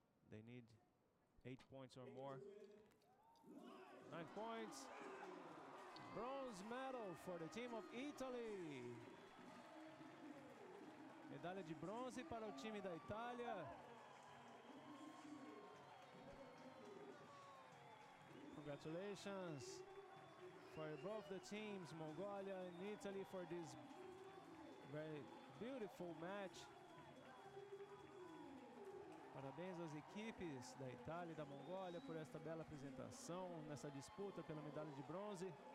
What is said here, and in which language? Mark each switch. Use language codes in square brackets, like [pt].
[en] They need 8 points or more. 9 points. Bronze medal for the team of Italy. [pt] Medalha de bronze para o time da Itália. [en] Congratulations for both the teams, Mongolia and Italy, for this very beautiful match. [pt] Parabéns às equipes da Itália e da Mongólia por esta bela apresentação nessa disputa pela medalha de bronze.